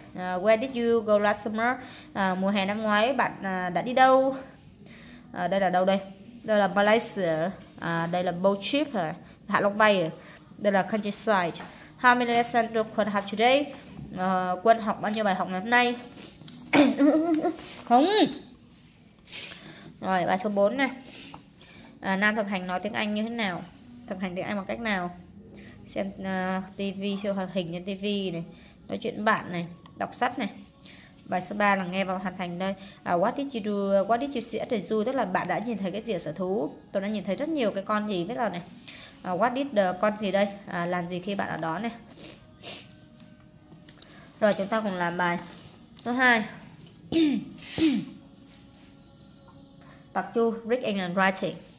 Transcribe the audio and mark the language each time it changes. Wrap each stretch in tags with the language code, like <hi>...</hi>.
<en>Where did you go last summer?</en> <vi>Mùa hè năm ngoái bạn đã đi đâu? Đây là đâu đây? Đây là Malaysia. Đây là</vi> <en>boat trip</en> <vi>Hạ Long Bay. Đây là countryside.</vi> <en>How many lessons do Quân have today?</en> <vi>Quân học bao nhiêu bài học ngày hôm nay? Không. Rồi, bài số 4 nè. Nam thực hành nói tiếng Anh như thế nào? Thực hành tiếng Anh bằng cách nào? Xem TV, xem hoạt hình trên TV này, nói chuyện bạn này, đọc sách này. Bài số 3 là nghe và hoàn thành đây.</vi> <en>What did you do? What did you see at the zoo?</en> <vi>Tức là bạn đã nhìn thấy cái gì ở sở thú? Tôi đã nhìn thấy rất nhiều cái con gì biết rồi này.</vi> <en>What did the</en> <vi>con gì đây? Làm gì khi bạn ở đó này? Rồi chúng ta cùng làm bài số 2.</vi> <en>Bạc Chu, reading and writing.</en>